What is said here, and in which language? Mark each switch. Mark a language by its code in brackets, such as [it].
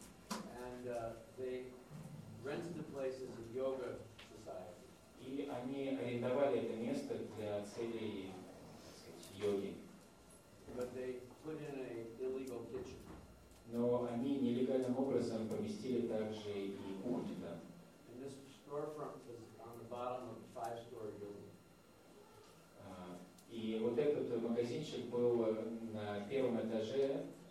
[en] And they rented the place as a yoga society. [ru] И они арендовали это место для целей, так сказать, йоги. [en] But they put in an illegal kitchen. [ru] Но они нелегальным образом поместили также и кухню там. [en] And this storefront was on the bottom of a five-story building. [ru] И вот этот магазинчик был на первом этаже.